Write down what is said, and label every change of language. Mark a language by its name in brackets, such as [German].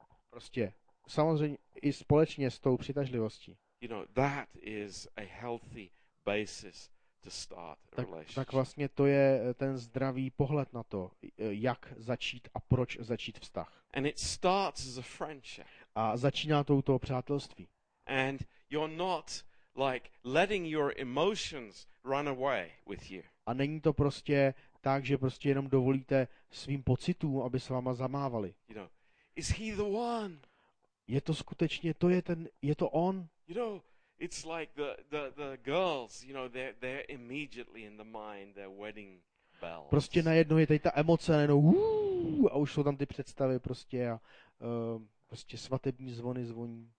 [Czech] Prostě samozřejmě i společně s tou přitažlivostí. [English] You know, that is a healthy basis to start a relationship. [Czech] Tak vlastně to je ten zdravý pohled na to, jak začít a proč začít vztah. [English] And it starts as a friendship. [Czech] A začíná to u toho přátelství. [English] And you're not like letting your emotions run away with you. [Czech] A není to prostě tak, že prostě jenom dovolíte svým pocitům, aby se váma zamávali. [English] You know, is he the one? [Czech] Je to skutečně to je ten je to on? [English] You know, it's like the girls, you know, they're immediately in the mind their wedding bells. [Czech] Prostě najednou je tady ta emoce, najednou a už jsou tam ty představy prostě a prostě svatební zvony zvoní.